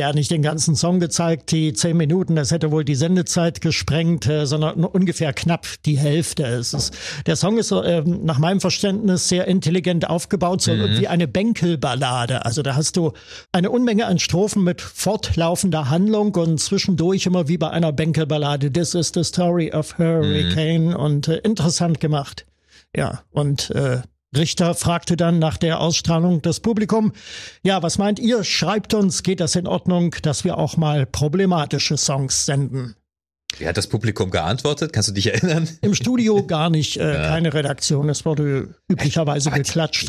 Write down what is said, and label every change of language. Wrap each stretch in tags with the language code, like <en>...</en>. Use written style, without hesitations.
<de>Er hat nicht den ganzen Song gezeigt, die 10 Minuten. Das hätte wohl die Sendezeit gesprengt, sondern ungefähr knapp die Hälfte. Der Song ist nach meinem Verständnis sehr intelligent aufgebaut, so wie eine Bänkelballade. Also da hast du eine Unmenge an Strophen mit fortlaufender Handlung und zwischendurch immer wie bei einer Bänkelballade.</de> <en>This is the story of Hurricane.</en> <de>Und interessant gemacht. Ja, und Richter fragte dann nach der Ausstrahlung das Publikum. Ja, was meint ihr? Schreibt uns, geht das in Ordnung, dass wir auch mal problematische Songs senden? Wie hat das Publikum geantwortet? Kannst du dich erinnern? Im Studio gar nicht, keine Redaktion. Es wurde üblicherweise geklatscht.</de>